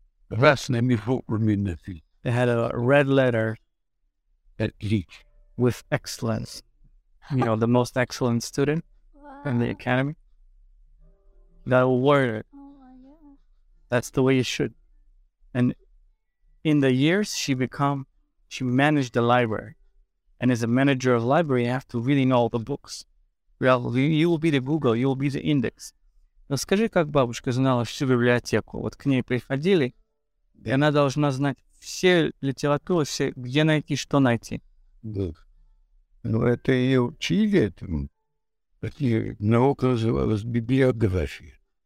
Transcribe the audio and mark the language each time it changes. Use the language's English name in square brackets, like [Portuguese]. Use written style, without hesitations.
[Russian] Красными буквами написано. [English] They had a red letter at least. With excellence. You know, the most excellent student in the academy. That award. Oh my God. That's the way it should. And in the years she managed the library. And as a manager of library, you have to really know all the books. Well, you will be the Google, you will be the index. [Russian] Расскажи, как бабушка знала всю библиотеку? Вот к ней приходили, и она должна знать все литературы, все, где найти, что найти. Да. Ну, это и учили этому. Такие наука называлась библиография.